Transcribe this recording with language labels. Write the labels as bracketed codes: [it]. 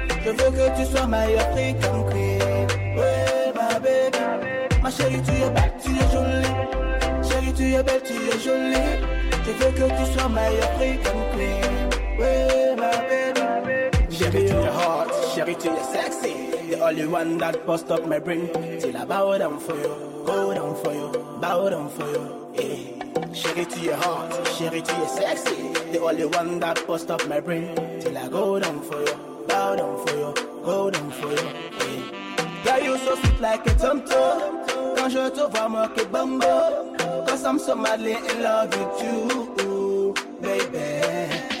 [fr] Je veux que tu sois ma African queen. [en] Hey, my baby. [fr] Ma chérie, tu es belle, tu es jolie. Chérie, tu es belle, tu es jolie. Je veux que tu sois ma African queen. [en] Hey, my baby. [fr] Chérie, tu es hot. Chérie, tu es sexy. [en] The only one that bust up my brain. Till I bow down for you. Bow down for you, bow down for you, eh. [fr] Chérie, tu es hot, chérie, tu es sexy. [en] The only one that bust up my brain. Till I go down for you, bow down for you, go down for you, eh. Yeah, you so sweet like a tomato. [fr] Quand je te vois, moi, que bambo. [en] Cause I'm so madly in love with you, baby.